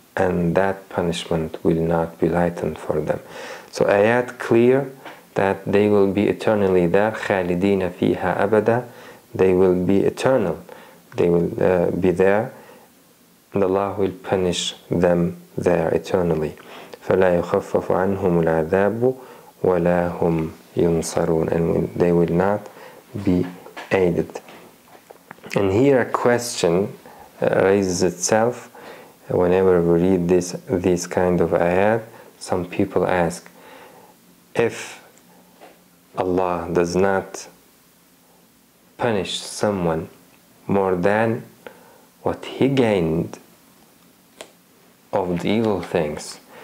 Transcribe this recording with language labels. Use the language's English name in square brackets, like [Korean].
[English] And that punishment will not be lightened for them. So ayat clear that they will be eternally there. [Arabic] خالدين فيها أبدا. [English] They will be eternal. They will be there. And Allah will punish them there eternally. [Arabic] فَلَا يُخَفَّفُ عَنْهُمُ الْعَذَابُ وَلَا هُمْ يُنصَرُونَ [English] And they will not be aided. And here a question raises itself. Whenever we read this kind of ayat, some people ask, if Allah does not punish someone more than what he gained of the evil things,